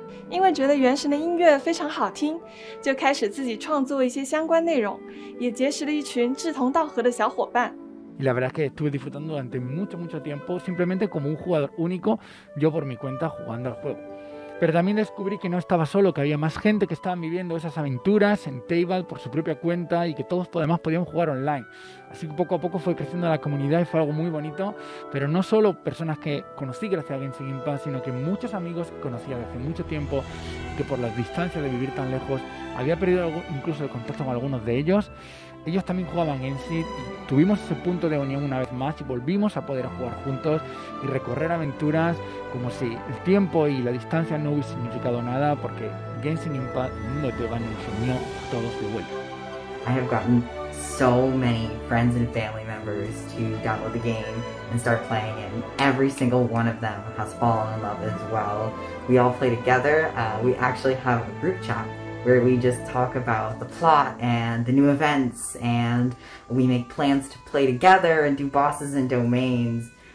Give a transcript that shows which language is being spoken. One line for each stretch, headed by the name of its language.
Chinese: 因为觉得原神的音乐非常好听，就开始自己创作一些相关内容，也结识了一群志同道合的小伙伴。
Spanish: La verdad es que estuve disfrutando durante mucho, mucho tiempo simplemente como un jugador único, yo por mi cuenta jugando al juego. Pero también descubrí que no estaba solo, que había más gente que estaban viviendo esas aventuras en Teyvat por su propia cuenta y que todos además podíamos jugar online. Así que poco a poco fue creciendo la comunidad y fue algo muy bonito, pero no solo personas que conocí gracias a Genshin Impact, sino que muchos amigos que conocía desde mucho tiempo, que por las distancias de vivir tan lejos, había perdido incluso el contacto con algunos de ellos. Ellos también jugaban en sí, tuvimos ese punto de unión una vez más y volvimos a poder jugar juntos y recorrer aventuras como si el tiempo y la distancia no hubiese significado nada, porque Genshin Impact, el mundo de Teyvat, nos unió todos de vuelta.
English: I have gotten so many friends and family members to download the game and start playing, and every single one of them has fallen in love as well. We all play together, we actually have a group chat. Where we just talk about the plot and the new events, and we make plans to play together and do bosses and domains.